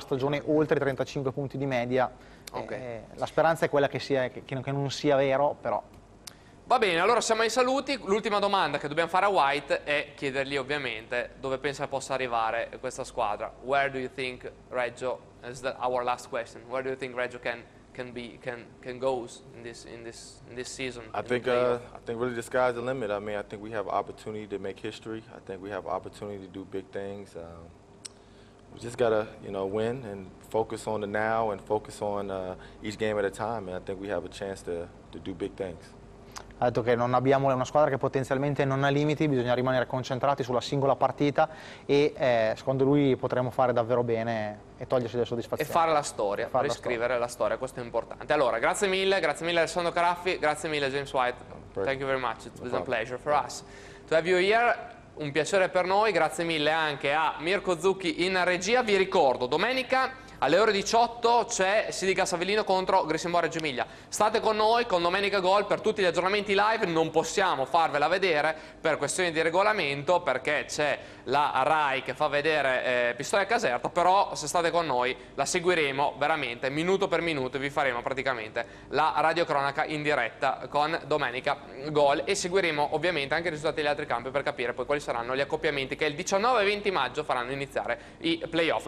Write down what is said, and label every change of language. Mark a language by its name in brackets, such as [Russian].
[Italian] La stagione oltre 35 punti di media. Okay. La speranza è quella che non sia vero, però. Va bene, allora siamo ai saluti. L'ultima domanda che dobbiamo fare a White è chiedergli ovviamente dove pensa possa arrivare questa squadra. [English] Where do you think Reggio? Is that our last question? Where do you think Reggio can go in this season? I think really the sky's the limit. I mean, I think we have opportunity to make history. I think we have opportunity to do big things. We just gotta, you know, win and focus on the now and focus on each game at a time. And I think we have a chance to do big things. [Italian] Ha detto che non abbiamo una squadra che potenzialmente non ha limiti, bisogna rimanere concentrati sulla singola partita e secondo lui potremo fare davvero bene e togliersi le soddisfazioni. E fare la storia, riscrivere la storia, questo è importante. Allora, grazie mille Alessandro Caraffi, grazie mille James White. Perfect. [English] Thank you very much, it was a pleasure for us to have you here. [Italian] Un piacere per noi, grazie mille anche a Mirko Zucchi in regia. Vi ricordo, domenica alle ore 18 c'è Sidica Savellino contro Grissimore Reggio Emilia. State con noi, con Domenica Gol, per tutti gli aggiornamenti live. Non possiamo farvela vedere per questioni di regolamento, perché c'è la RAI che fa vedere Pistoia Caserta, però se state con noi la seguiremo veramente minuto per minuto e vi faremo praticamente la radiocronaca in diretta con Domenica Gol, e seguiremo ovviamente anche i risultati degli altri campi per capire poi quali saranno gli accoppiamenti che il 19 e 20 maggio faranno iniziare i playoff.